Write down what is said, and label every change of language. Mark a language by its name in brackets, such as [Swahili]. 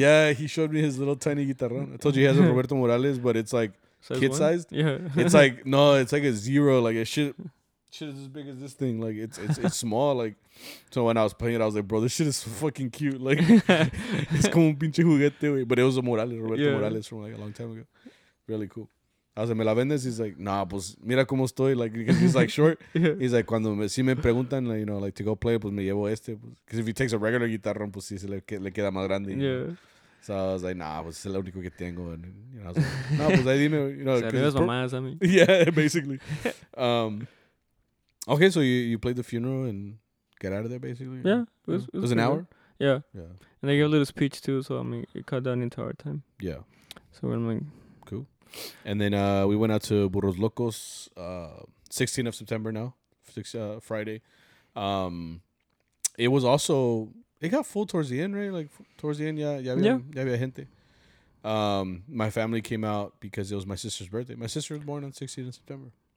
[English] Yeah, he showed me his little tiny guitar. I told you he has a Roberto Morales, but it's like size kid one? Sized. Yeah. It's like, no, it's like a zero, like a shit. Shit is as big as this thing. Like it's small. Like, so when I was playing it, I was like, bro, this shit is fucking cute. Like, it's [Spanish] como un pinche juguete, wey. [English] But it was a Morales, Roberto Morales from like a long time ago. Really cool. I was like, [Spanish] ¿me la vendes? [English] He's like, nah, [Spanish] pues mira como estoy. [English] Like, he's like short. Yeah. He's like, [Spanish] cuando me, si me preguntan, [English] like, you know, like to go play, [Spanish] pues me llevo este. [English] Because [Spanish] pues, [English] if he takes a regular guitar, [Spanish] pues si se le queda más grande. [English] Yeah. So I was like, nah, [Spanish] pues es el único que tengo. [English] And, you know, I was like, nah, [Spanish] pues ahí dime, [English] you know. [Spanish] Se arriba su mamá, Sammy. [English] Yeah, basically. Okay, so you played the funeral and got out of there, basically? Yeah. It was an hour? Yeah. Yeah. And they gave a little speech, too, so, I mean, it cut down into our time. Yeah. So I'm like... Cool. And then we went out to Burros Locos, 16th of September now, Friday. It was also... It got full towards the end, right? Like, towards the end, [Spanish] ya había gente. [English] My family came out because it was my sister's birthday. My sister was born on 16th of September.